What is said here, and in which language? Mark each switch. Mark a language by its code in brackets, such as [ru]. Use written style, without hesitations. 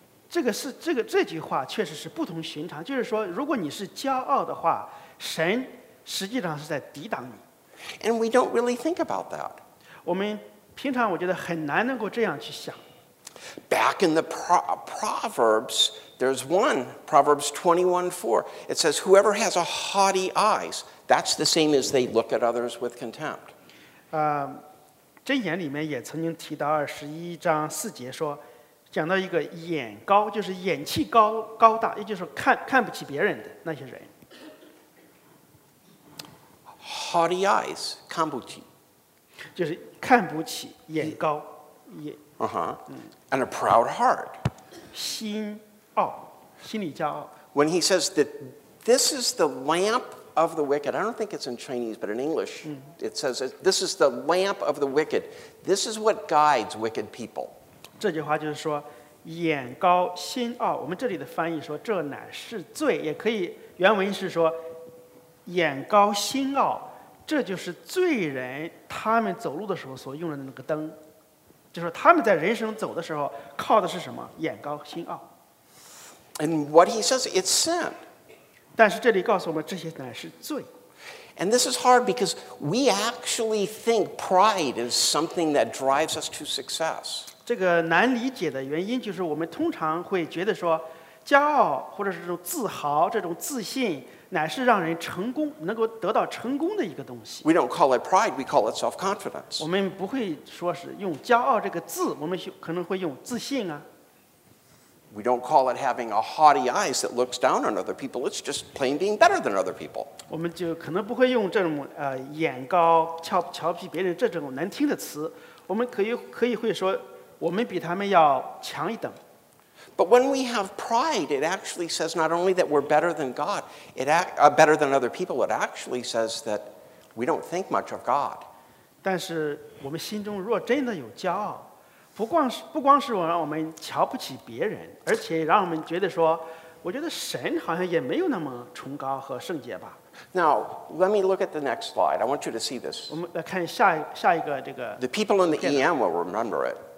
[zh] 这句话确实是不同寻常，就是说，如果你是骄傲的话，神实际上是在抵挡你。 [en] And we don't really think about that. [zh] 我们平常我觉得很难能够这样去想。 [en] Back in the Proverbs, there's one, Proverbs 21:4. It says, whoever has a haughty eyes, that's the same as they look at others with contempt. [zh] 箴言里面也曾经提到21:4说，讲到一个眼高，就是眼气高大，也就是看不起别人的那些人。 [en] Haughty eyes, [zh] 看不起，就是看不起眼高眼。 [en] And a proud heart, [zh] 心傲，心里骄傲。 [en] When he says that this is the lamp. Of the wicked. I don't think it's in Chinese, but in English, it says, this is the lamp of the wicked. This is what guides wicked people. [zh] 这句话就是说，眼高心傲。我们这里的翻译说，这乃是罪。也可以，原文是说，眼高心傲。这就是罪人他们走路的时候所用的那个灯。就是他们在人生走的时候，靠的是什么？眼高心傲。 [en] And what he says, it's sin. [zh] 但是这里告诉我们，这些乃是罪。 [en] And this is hard because we actually think pride is something that drives us to success. [zh] 这个难理解的原因就是我们通常会觉得说，骄傲或者是这种自豪、这种自信，乃是让人成功、能够得到成功的一个东西。 [en] We don't call it pride; we call it self-confidence. [zh] 我们不会说是用骄傲这个字，我们可能会用自信啊。 [en] We don't call it having a haughty eyes that looks down on other people. It's just plain being better than other people. [zh] 我们就可能不会用这种眼高瞧不起别人这种难听的词。我们可以会说我们比他们要强一等。 [en] But when we have pride, it actually says not only that we're better than God, better than other people. It actually says that we don't think much of God. [zh] 但是我们心中若真的有骄傲。不光是让我们瞧不起别人，而且让我们觉得说，我觉得神好像也没有那么崇高和圣洁吧。 [en] Now, let me look at the next slide. I want you to see this. [zh] 我们来看下一个这个。 [en] The people in the EM will remember it.